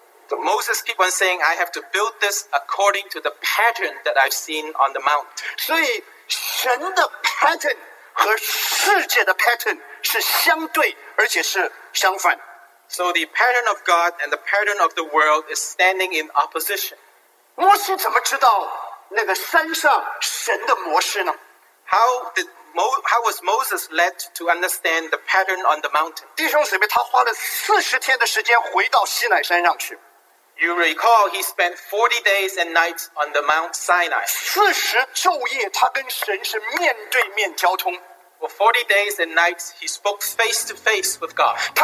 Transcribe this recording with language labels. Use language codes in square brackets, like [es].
[en] So Moses keep on saying, I have to build this according to the pattern that I've seen on the mount. [zh] 所以神的pattern和世界的pattern是相对而且是相反。 [en] So the pattern of God and the pattern of the world is standing in opposition. [zh] 摩西怎么知道那个山上神的模式呢? [en] How was Moses led to understand the pattern on the mountain? [zh] 弟兄姊妹,他花了40天的时间回到西乃山上去。 [en] You recall he spent 40 days and nights on the Mount Sinai. [zh] 40昼夜他跟神是面对面交通。 [en] For 40 days and nights, he spoke face to face with God.